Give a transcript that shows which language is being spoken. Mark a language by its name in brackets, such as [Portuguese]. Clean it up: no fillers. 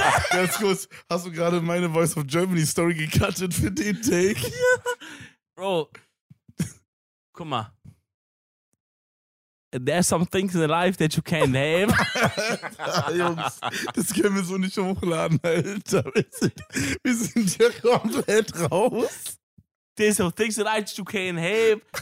[German] ganz kurz, hast du gerade meine Voice of Germany Story gecuttet für den Take? Bro, guck mal. [English] There's some things in life that you can't have. [German] Jungs, das können wir so nicht hochladen, Alter. Wir sind hier komplett raus. [English] There's some things in life that you can't have.